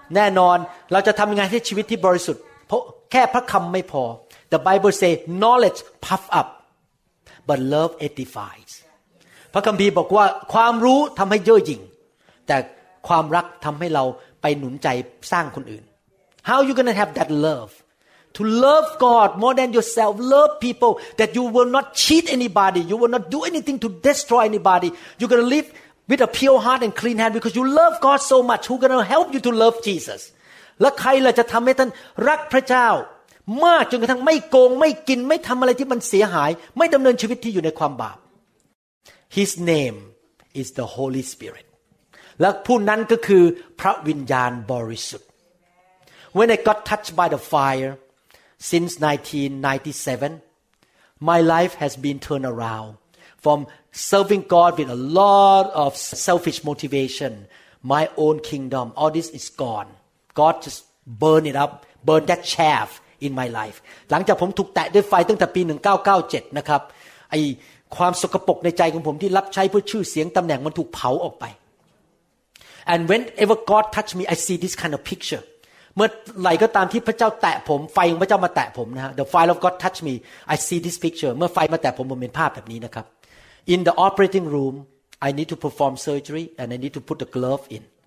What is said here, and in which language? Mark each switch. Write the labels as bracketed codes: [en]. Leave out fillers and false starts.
[th] แน่นอนเราจะทำยังไงให้ชีวิตที่บริสุทธิ์เพราะแค่พระคำไม่พอ [en] The Bible says knowledge puff up, but love edifies. [th] พระคัมภีร์บอกว่าความรู้ทำให้เย่อหยิ่งแต่ความรักทำให้เราไปหนุนใจสร้างคนอื่น [en] How you gonna have that love? To love God more than yourself, love people that you will not cheat anybody, you will not do anything to destroy anybody. You're gonna liveWith a pure heart and clean hand, because you love God so much, who's going to help you to love Jesus? [th] แล้วใครล่ะจะทำให้ท่านรักพระเจ้ามากจนกระทั่งไม่โกงไม่กินไม่ทำอะไรที่มันเสียหายไม่ดำเนินชีวิตที่อยู่ในความบาป [en] His name is the Holy Spirit. [th] และผู้นั้นก็คือพระวิญญาณบริสุทธิ์ [en] When I got touched by the fire since 1997, my life has been turned around from. Serving God with a lot of selfish motivation, my own kingdom, all this is gone. God just burn it up, burn that chaff in my life. [th] หลังจากผมถูกแตะด้วยไฟตั้งแต่ปี1997นะครับไอ้ความสกปรกในใจของผมที่รับใช้เพื่อชื่อเสียงตำแหน่งมันถูกเผาออกไป [en] And whenever God touch me, I see this kind of picture. [th] เมื่อไหร่ก็ตามที่พระเจ้าแตะผมไฟของพระเจ้ามาแตะผมนะฮะ [en] The fire of God touch me, I see this picture. [th] เมื่อไฟมาแตะผมเป็นภาพแบบนี้นะครับ [en] In the operating room, I need to perform surgery and I need to put the glove in.